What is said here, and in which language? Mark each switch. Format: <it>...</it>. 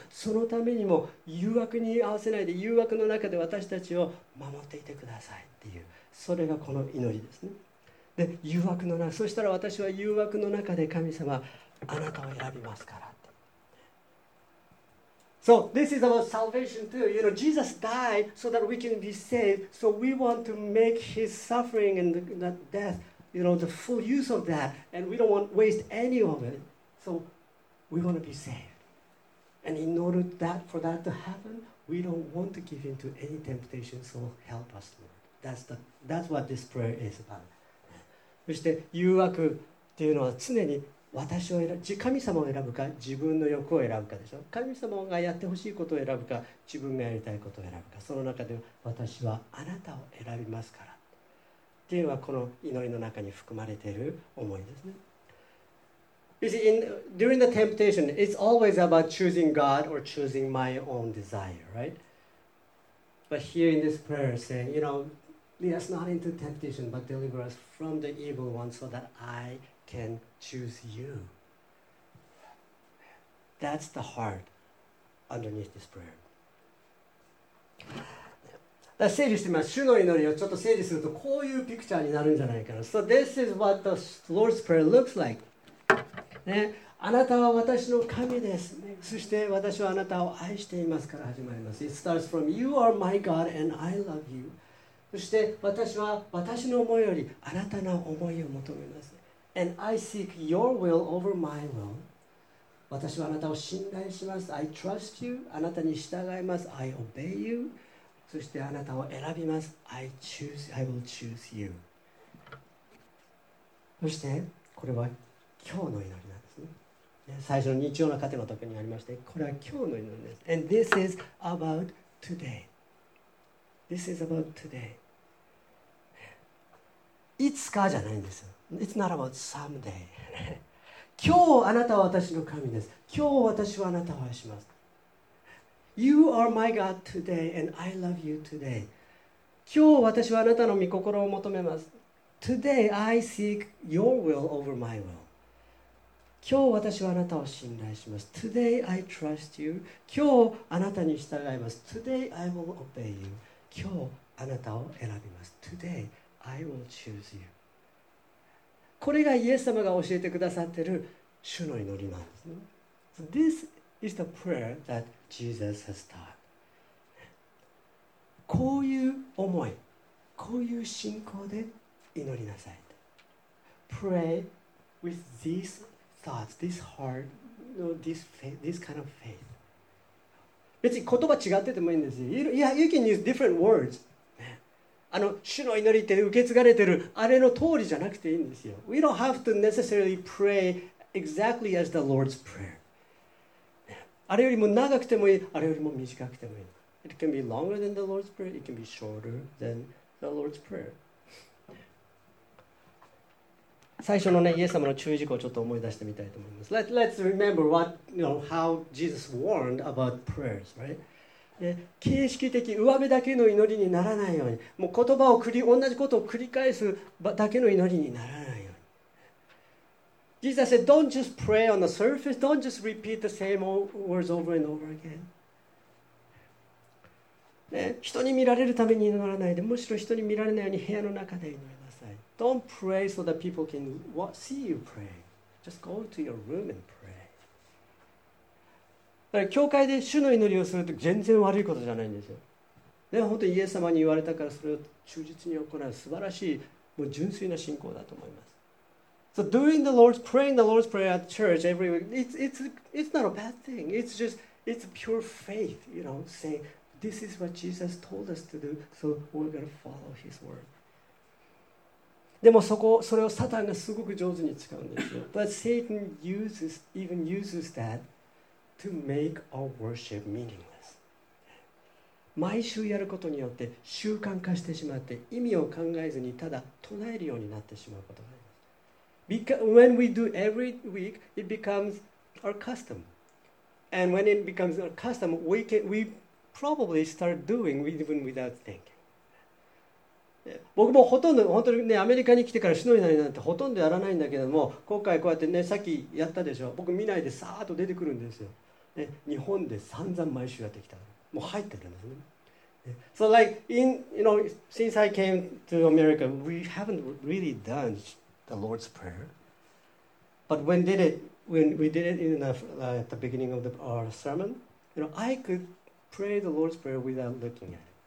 <ja>そのためにも誘惑に合わせないで、誘惑の中で私たちを守っていてくださいっていう、それがこの祈りですね。で誘惑の中、そしたら私は誘惑の中で神様あなたを選びますからって。</ja> <en>So this is about salvation too. You know, Jesus died so that we can be saved. So we want to make his suffering and that death, you know, the full use of that. And we don't want to waste any of it. So we want to be saved. And in order that for that to happen, we don't want to give in to any temptation. So help us, Lord. That's what this prayer is about.</en> <ja>そして誘惑っていうのは常に私を選ぶ、神様を選ぶか自分の欲を選ぶかでしょ。神様がやってほしいことを選ぶか自分がやりたいことを選ぶか、その中で私はあなたを選びますからっていうのはこの祈りの中に含まれている思いですね。</ja> <en>You see, during the temptation, it's always about choosing God or choosing my own desire, right? But here in this prayer saying, you know, lead us not into temptation, but deliver us from the evil one so that I... can choose you. That's the heart underneath this prayer.</en> <ja>だ整理してみます。主の祈りをちょっと整理するとこういうピクチャーになるんじゃないかな。</ja> <en>So this is what the Lord's prayer looks like.</en> <ja>ね、あなたは私の神です。そして私はあなたを愛していますから始まります。</ja> <en>It starts from you are my God and I love you.</en> <ja>そして私は私の思いよりあなたの思いを求めます。</ja> <en>And I seek your will over my will.</en> <ja>私はあなたを信頼します。</ja> <en>I trust you.</en> <ja>あなたに従います。</ja> <en>I obey you.</en> <ja>そしてあなたを選びます。</ja> <en>I will choose you.</en> <ja>そしてこれは今日の祈りなんですね。最初の日曜の糧の時にありまして、これは今日の祈りです。</ja> <en>And this is about today. This is about today.</en> <ja>いつかじゃないんです。いつならば someday。今日あなたは私の神です。今日私はあなたを愛します。</ja> <en>You are my God today and I love you today。</en> <ja>今日私はあなたの御心を求めます。</ja> <en>Today I seek your will over my will。</en> <ja>今日私はあなたを信頼します。</ja> <en>Today I trust you。</en> <ja>今日あなたに従います。</ja> <en>Today I will obey you。</en> <ja>今日あなたを選びます。</ja> <en>Today I will choose you。</en> <ja>これがイエス様が教えてくださっている主の祈りなんですね。</ja> <en>So、this is the prayer that Jesus has taught。</en> <ja>こういう思い、こういう信仰で祈りなさい。</ja> <en>Pray with these thoughts, this heart, this faith, this kind of faith。</en> <ja>別に言葉違っててもいいんですよ。</ja> <en>Yeah, you can use different words。</en> <ja>あの主の祈りって受け継がれてるあれの通りじゃなくていいんですよ。</ja> <en>We don't have to necessarily pray exactly as the Lord's prayer。</en> <ja>あれよりも長くてもいい、あれよりも短くてもいい。</ja> <en>It can be longer than the Lord's prayer. It can be shorter than the Lord's prayer.</en> <ja>最初のね、イエス様の注意事項をちょっと思い出してみたいと思います。</ja> <en>Let's remember what, you know, how Jesus warned about prayers, right?</en> <ja>形式的上辺だけの祈りにならないように、もう言葉を同じことを繰り返すだけの祈りにならないように。</ja> <en>Jesus said, "Don't just pray on the surface. Don't just repeat the same words over and over again."</en> <ja>ね、人に見られるために祈らないで、むしろ人に見られないように部屋の中で祈りなさい。</ja> <en>Don't pray so that people can see you pray. Just go to your room and pray.</en> <ja>だから教会で主の祈りをするって全然悪いことじゃないんですよ。でも本当にイエス様に言われたからそれを忠実に行う素晴らしい、もう純粋な信仰だと思います。</ja> <en>So doing the Lord's praying the Lord's prayer at church every week, it's not a bad thing. It's just it's pure faith, you know, saying this is what Jesus told us to do, so we're gonna follow His word.</en> <ja>でもそれをサタンがすごく上手に使うんですよ。</ja> <en>But Satan uses that. To make our worship meaningless.</en> <ja>毎週やることによって習慣化してしまって意味を考えずにただ唱えるようになってしまうことがあります。</ja> <en>When we do every week, it becomes our custom. And when it becomes our custom, we probably start doing even without thinking.</en> <ja>僕もほとんど、本当にね、アメリカに来てから主の祈りなんてほとんどやらないんだけども、今回こうやってね、さっきやったでしょ。僕見ないでさーっと出てくるんですよ。ね、日本で散々毎週やってきた。もう入ってるんですね。</ja> <en>So like in, you know, since I came to America, we haven't really done the Lord's Prayer. But when we did it at the beginning of our sermon, you know, I could pray the Lord's Prayer without looking at it.</en>